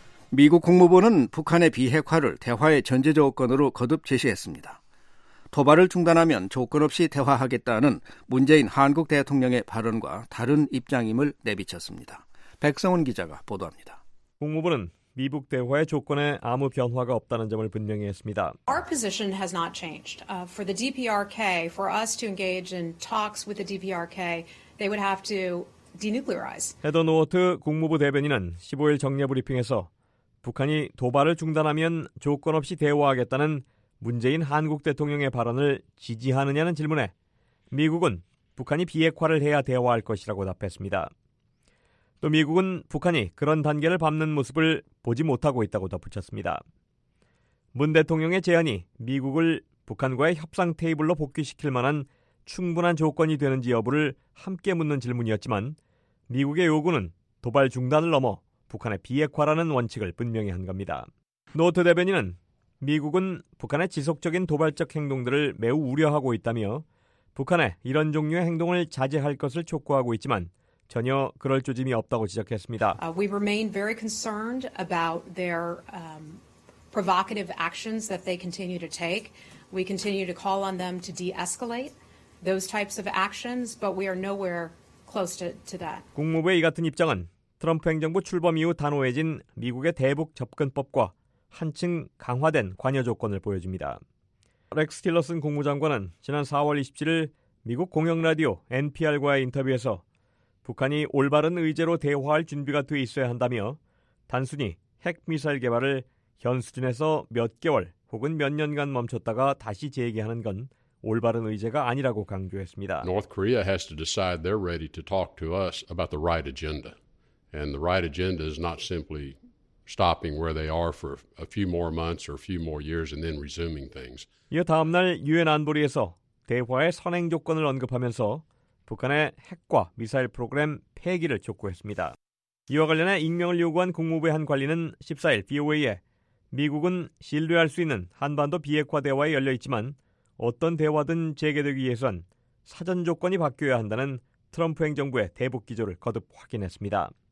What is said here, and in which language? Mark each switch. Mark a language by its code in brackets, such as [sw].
[ko] 미국 국무부는 북한의 비핵화를 대화의 전제 조건으로 거듭 제시했습니다. 도발을 중단하면 조건 없이 대화하겠다는 문재인 한국 대통령의 발언과 다른 입장임을 내비쳤습니다. 백성훈 기자가 보도합니다. 국무부는 미북 대화의 조건에 아무 변화가 없다는 점을 분명히 했습니다. [en] Our position has not changed. For the DPRK, for us to engage in talks with the DPRK, they would have to denuclearize. [ko] 헤더 노어트 국무부 대변인은 15일 정례 브리핑에서 북한이 도발을 중단하면 조건 없이 대화하겠다는 문재인 한국 대통령의 발언을 지지하느냐는 질문에 미국은 북한이 비핵화를 해야 대화할 것이라고 답했습니다. 또 미국은 북한이 그런 단계를 밟는 모습을 보지 못하고 있다고 덧붙였습니다. 문 대통령의 제안이 미국을 북한과의 협상 테이블로 복귀시킬 만한 충분한 조건이 되는지 여부를 함께 묻는 질문이었지만 미국의 요구는 도발 중단을 넘어 북한의 비핵화라는 원칙을 분명히 한 겁니다. 노트 대변인은 미국은 북한의 지속적인 도발적 행동들을 매우 우려하고 있다며 북한의 이런 종류의 행동을 자제할 것을 촉구하고 있지만 전혀 그럴 조짐이 없다고 지적했습니다. [en] We remain very concerned about their provocative actions that they continue to take. We continue to call on them to de-escalate those types of actions, but we are nowhere close to that. [ko] 국무부의 이 같은 입장은 트럼프 행정부 출범 이후 단호해진 미국의 대북 접근법과 한층 강화된 관여 조건을 보여줍니다. 렉스 틸러슨 국무장관은 지난 4월 27일 미국 공영 라디오 NPR과의 인터뷰에서 북한이 올바른 의제로 대화할 준비가 돼 있어야 한다며 단순히 핵미사일 개발을 현 수준에서 몇 개월 혹은 몇 년간 멈췄다가 다시 재개하는 건 올바른 의제가 아니라고 강조했습니다. [en] North Korea has to decide they're ready to talk to us about the right agenda. And the right agenda is not simply stopping where they are for a few more months or a few more years and then resuming things. [ko] 이어 다음 날 유엔 안보리에서 대화의 선행 조건을 언급하면서 북한의 핵과 미사일 프로그램 폐기를 촉구했습니다. 이와 관련해 익명을 요구한 국무부의 한 관리는 14일 VOA에 미국은 신뢰할 수 있는 한반도 비핵화 대화에 열려있지만 어떤 대화든 재개되기 위해선 사전 조건이 바뀌어야 한다는 트럼프 행정부의 대북 기조를 거듭 확인했습니다.